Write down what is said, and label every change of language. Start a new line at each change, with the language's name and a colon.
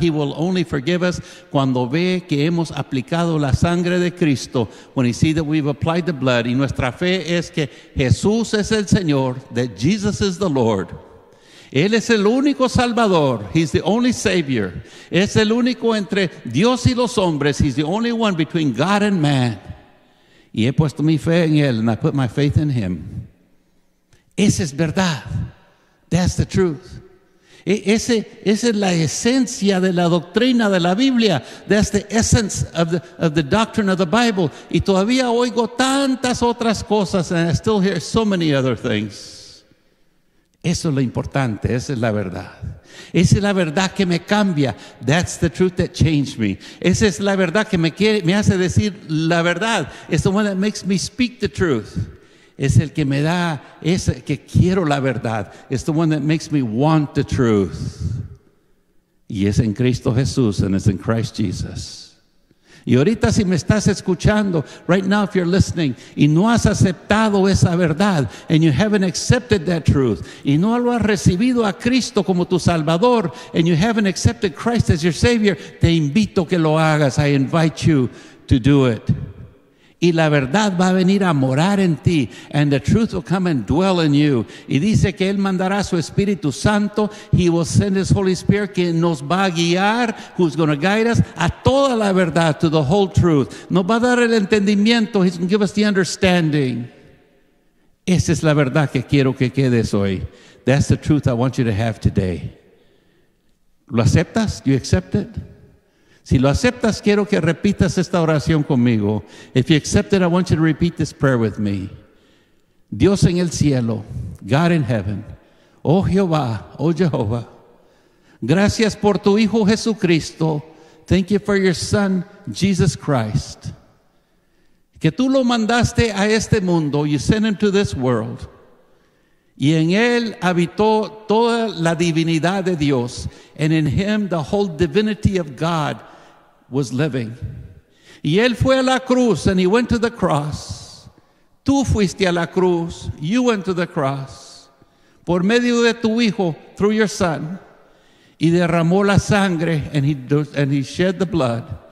English: He will only forgive us
Spanish: cuando ve que hemos aplicado la sangre de Cristo.
English: When he sees that we've applied the blood.
Spanish: Y nuestra fe es que Jesús es el Señor.
English: That Jesus is the Lord.
Spanish: Él es el único Salvador.
English: He's the only Savior.
Spanish: Es el único entre Dios y los hombres.
English: He's the only one between God and man.
Spanish: Y he puesto mi fe en Él.
English: And I put my faith in Him.
Spanish: Esa es verdad.
English: That's the truth.
Spanish: Esa es la esencia de la doctrina de la Biblia.
English: That's the essence of the doctrine of the Bible.
Spanish: Y todavía oigo tantas otras cosas,
English: and I still hear so many other things.
Spanish: Eso es lo importante, esa es la verdad. Esa es la verdad que me cambia.
English: That's the truth that changed me.
Spanish: Esa es la verdad que me hace decir la verdad.
English: It's the one that makes me speak the truth.
Spanish: Es el que me da, es el que quiero la verdad.
English: It's the one that makes me want the truth.
Spanish: Y es en Cristo Jesús,
English: and it's in Christ Jesus.
Spanish: Y ahorita si me estás escuchando,
English: right now if you're listening,
Spanish: y no has aceptado esa verdad,
English: and you haven't accepted that truth,
Spanish: y no lo has recibido a Cristo como tu Salvador,
English: and you haven't accepted Christ as your Savior,
Spanish: te invito que lo hagas.
English: I invite you to do it.
Spanish: Y la verdad va a venir a morar en ti.
English: And the truth will come and dwell in you.
Spanish: Y dice que Él mandará su Espíritu Santo.
English: He will send His Holy Spirit,
Spanish: que nos va a guiar,
English: who's going to guide us,
Spanish: a toda la verdad,
English: to the whole truth.
Spanish: Nos va a dar el entendimiento.
English: He's going to give us the understanding.
Spanish: Esa es la verdad que quiero que quedes hoy.
English: That's the truth I want you to have today.
Spanish: ¿Lo aceptas?
English: Do you accept it?
Spanish: Si lo aceptas, quiero que repitas esta oración conmigo.
English: If you accept it, I want you to repeat this prayer with me.
Spanish: Dios en el cielo,
English: God in heaven,
Spanish: oh Jehová, oh Jehová, gracias por tu Hijo Jesucristo.
English: Thank you for your Son, Jesus Christ.
Spanish: Que tú lo mandaste a este mundo,
English: you sent him to this world.
Spanish: Y en él habitó toda la divinidad de Dios.
English: And in him the whole divinity of God was living.
Spanish: Y él fue a la cruz,
English: and he went to the cross.
Spanish: Tú fuiste a la cruz,
English: you went to the cross.
Spanish: Por medio de tu Hijo,
English: through your Son.
Spanish: Y derramó la sangre,
English: and he shed the blood.